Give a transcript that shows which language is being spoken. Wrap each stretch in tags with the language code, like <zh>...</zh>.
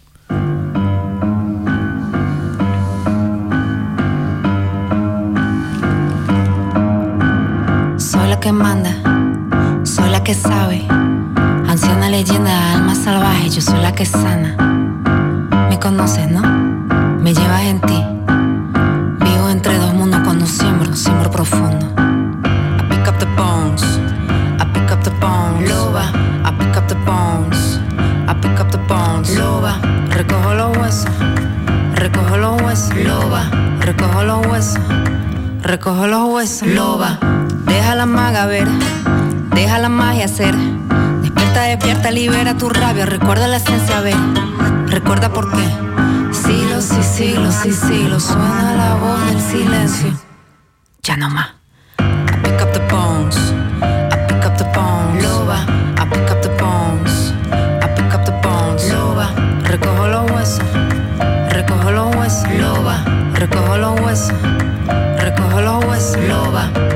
<es>Soy la que manda, soy la que sabe. Anciana leyenda, alma salvaje, yo soy la que sana. Me conoces, ¿no? Me llevas en ti. Vivo entre dos mundos cuando siembro, siembro profundo.</es> <en>I pick up the bones, I pick up the bones. Loba, I pick up the bones, I pick up the bones.</en> <es>Loba, recojo los huesos, recojo los huesos. Loba, recojo los huesos, recojo los huesos. Loba, deja la maga ver, deja la magia ser. Despierta, despierta, libera tu rabia. Recuerda la esencia, ver, recuerda por qué. Siglos y siglos y siglos, suena la voz del silencio. Ya no más.</es> <en>I pick up the bones, I pick up the bones. Loba, I pick up the bones, I pick up the bones.</en> <es>Loba, recojo los huesos, recojo los huesos. Loba, recojo los huesos, recojo los huesos. Loba.</es>